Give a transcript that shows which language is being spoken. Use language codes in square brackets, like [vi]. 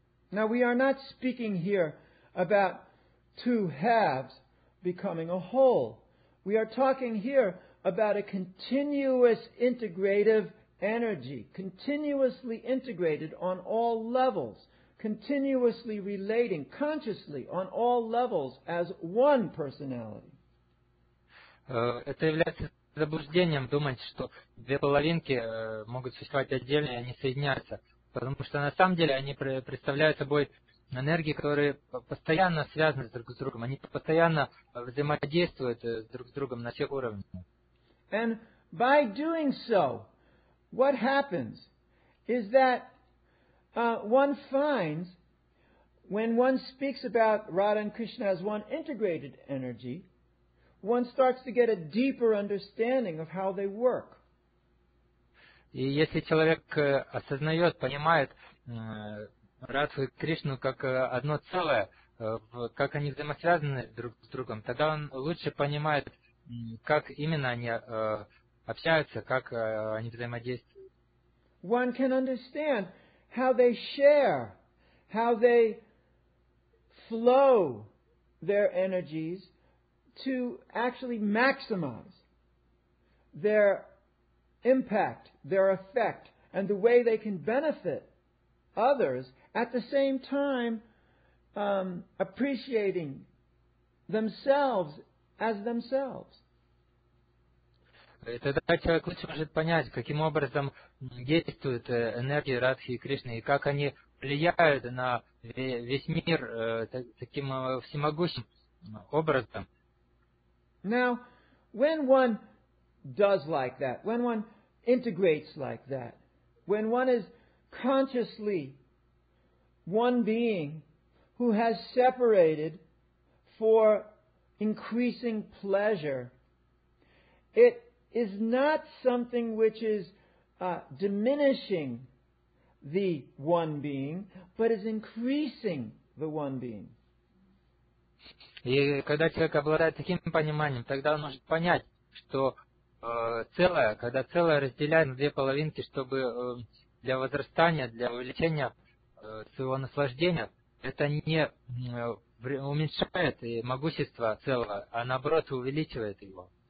[en] Now we are not speaking here about two halves becoming a whole. We are talking here about a continuous integrative energy, continuously integrated on all levels, continuously relating consciously on all levels as one personality. [ru] Это является заблуждением думать, что две половинки могут существовать отдельно, и они соединяются, потому что на самом деле они представляют собой энергии, которые постоянно связаны друг с другом, они постоянно взаимодействуют друг с другом на всех уровнях. [en] And by doing so, what happens is that one finds, when one speaks about Radha and Krishna as one integrated energy, one starts to get a deeper understanding of how they work. [ru] И если человек осознает, понимает Радху и Кришну как одно целое, как они взаимосвязаны друг с другом, тогда он лучше понимает, как именно они общаются, как они взаимодействуют. [en] One can understand how they share, how they flow their energies to actually maximize their impact, their effect, and the way they can benefit others at the same time appreciating themselves as themselves. [ru] И тогда человек лучше может понять, каким образом действуют энергии Радхи и Кришны, и как они влияют на весь мир таким всемогущим образом. [en] Now, when one does like that, when one integrates like that, when one is consciously one being who has separated for increasing pleasure, it is not something which is diminishing the one being, but is increasing the one being. [ru] И когда человек обладает таким пониманием, тогда он может понять, что целое, когда целое разделяет на две половинки, чтобы для возрастания, для увеличения своего наслаждения, это не уменьшает могущество целого, а наоборот увеличивает его.